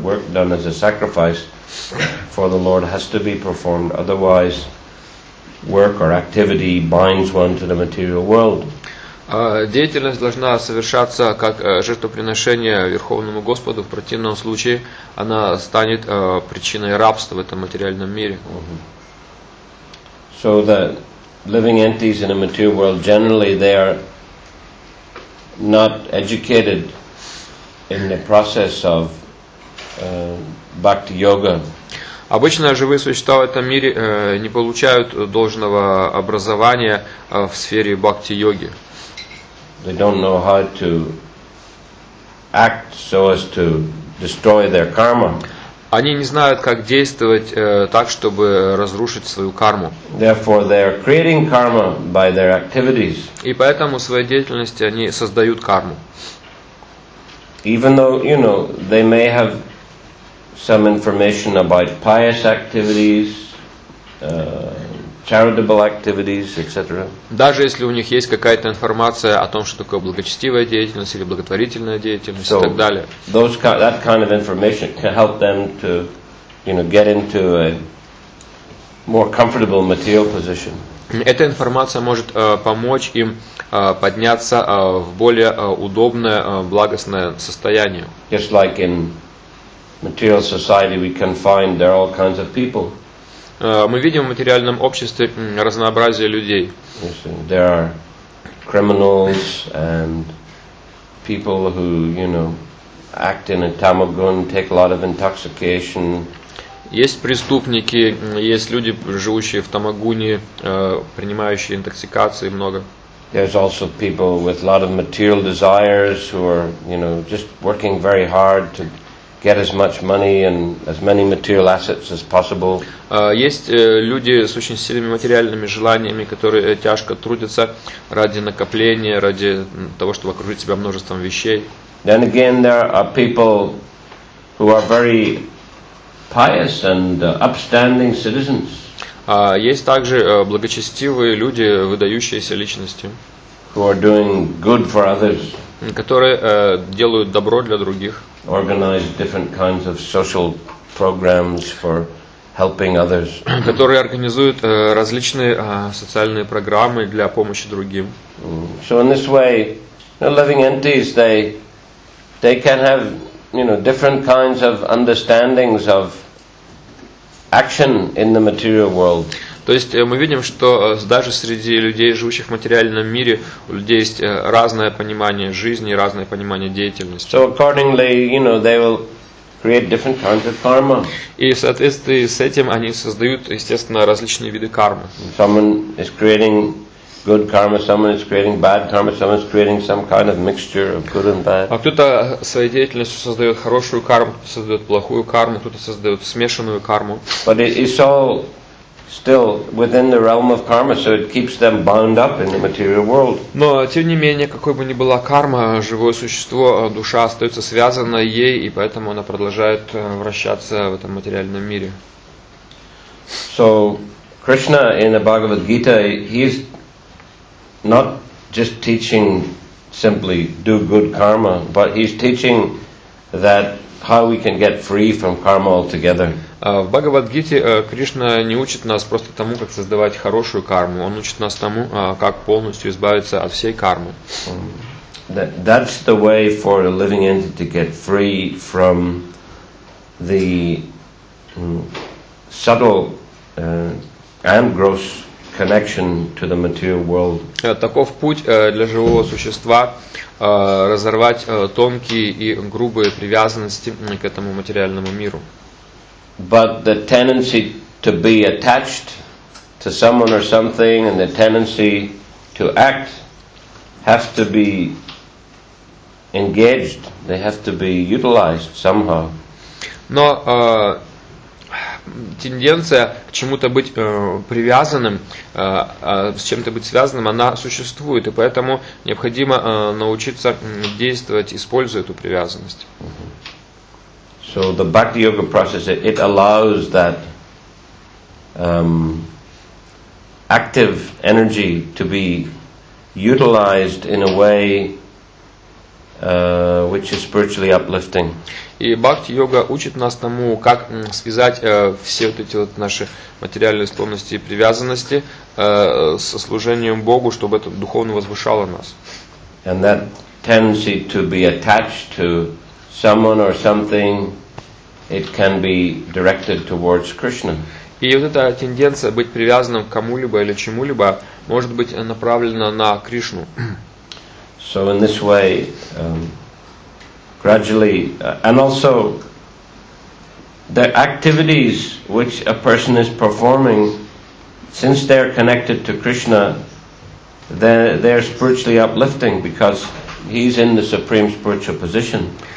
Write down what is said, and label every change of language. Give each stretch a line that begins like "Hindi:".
English: Work done as a sacrifice for the Lord has to be performed, otherwise work or activity binds one to the material world.
Russian: Деятельность должна совершаться как жертвоприношение Верховному Господу, в противном случае она станет причиной рабства в этом материальном мире.
English: So the living entities in a material world, generally they are not educated in the process of Bhakti Yoga.
Russian: Обычно живые существа в этом мире не получают должного образования в сфере бхакти-йоги.
English: They don't know how to act so as to destroy their karma.
Russian: Они не знают, как действовать так, чтобы разрушить свою карму.
English: Therefore, they are creating karma by their activities.
Russian: И поэтому в своей деятельности они создают карму.
English: Even though, you know, they may have some information about pious activities, charitable activities, etc.
Russian: Даже если у них есть какая-то информация о том, что такое благочестивая деятельность или благотворительная деятельность,
English: so,
Russian: и так далее.
English: Those that kind of information can help them to, you know, get into a more comfortable material position.
Russian: Эта информация может помочь им подняться в более удобное благостное состояние.
English: Just like in material society, we can find there are all kinds of people.
Russian: Мы видим в материальном обществе разнообразие людей.
English: There are criminals and people who, you know, act in a tamogun, take a lot of intoxication.
Russian: Есть преступники, есть люди, живущие в тамогуне, принимающие интоксикации много.
English: There's also people with a lot of material desires who are, you know, just working very hard to get as much money and as many material assets as possible.
Russian: Есть люди с очень сильными материальными желаниями, которые тяжко трудятся ради накопления, ради того, чтобы окружить себя множеством вещей.
English: Then again, there are people who are very pious and upstanding citizens.
Russian: Есть также благочестивые люди, выдающиеся личности,
English: who are doing good for others,
Russian: которые делают добро для других.
English: Organize different kinds of social programs for helping others.
Russian: Которые организуют различные социальные программы для помощи другим.
English: So in this way, the living entities they can have, you know, different kinds of understandings of action in the material world.
Russian: То есть мы видим, что даже среди людей, живущих в материальном мире, у людей есть разное понимание жизни, разное понимание деятельности.
English: So accordingly, you know, they will create different kinds of karma.
Russian: И в соответствии с этим они создают, естественно, различные виды кармы.
English: Someone is creating good karma, someone is creating bad karma, someone is creating some kind of mixture of good and bad.
Russian: А кто-то своей деятельностью создает хорошую карму, кто-то создает плохую карму, кто-то создает смешанную карму.
English: But it's all still within the realm of karma, so it keeps them bound up in the material world.
Russian: Но тем не менее, какой бы ни была карма, живое существо, душа остается связана ей, и поэтому она продолжает вращаться в этом материальном мире.
English: So Krishna in the Bhagavad Gita, he's not just teaching simply do good karma, but he's teaching that how we can get free from karma altogether.
Russian: В Бхагавад-гите Кришна не учит нас просто тому, как создавать хорошую карму. Он учит нас тому, как полностью избавиться от всей кармы.
English: That's the way for a living entity to get free from the subtle and gross connection to the material world.
Russian: Таков путь для живого существа разорвать тонкие и грубые привязанности к этому материальному миру.
English: But the tendency to be attached to someone or something and the tendency to act have to be engaged, they have to be utilized somehow.
Russian: Но тенденция к чему-то быть привязанным, с чем-то быть связанным, она существует, и поэтому необходимо научиться действовать, используя эту привязанность.
English: So the Bhakti Yoga process, it allows that active energy to be utilized in a way which is spiritually uplifting.
Russian: И Бхакти Йога учит нас тому, как связать все вот эти вот наши материальные склонности и привязанности со служением Богу, чтобы это духовно возвышало нас.
English: And that tendency to be attached to someone or something, it can be directed towards Krishna.
Russian: И вот эта тенденция быть привязанным к кому-либо или чему-либо может быть направлена на Кришну.
English: So in this way, gradually, and also the activities which a person is performing, since they are connected to Krishna, then they are spiritually uplifting because he's in the supreme spiritual position.